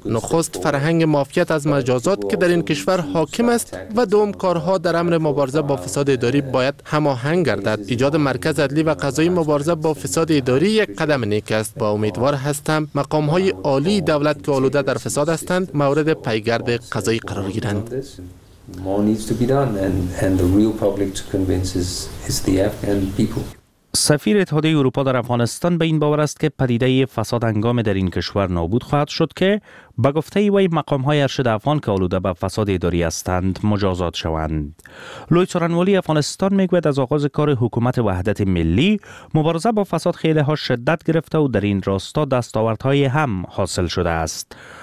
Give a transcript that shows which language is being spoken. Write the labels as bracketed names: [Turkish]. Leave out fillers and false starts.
[Persian] نخست فرهنگ معافیت از مجازات که در این کشور حاکم است، و دوم کارها در امر مبارزه با فساد اداری باید هماهنگ گردد. ایجاد مرکز عدلی و قضایی مبارزه با فساد اداری یک قدم نیک است. با امیدوار هستم مقام های عالی دولت که آلوده در فساد هستند مورد پیگرد قضایی قرار گیرند. [English] More needs to be done and the real public to convince is the Afghan people. [Persian] سفیر اتحادیه اروپا در افغانستان به این باور است که پدیده فساد انگام در این کشور نابود خواهد شد که به گفته وی مقام های ارشد افغان که آلوده به فساد اداری هستند مجازات شوند. لوی سارنولی افغانستان میگوید از آغاز کار حکومت وحدت ملی مبارزه با فساد خیلی ها شدت گرفته و در این راستا دستاوردهای هم حاصل شده است.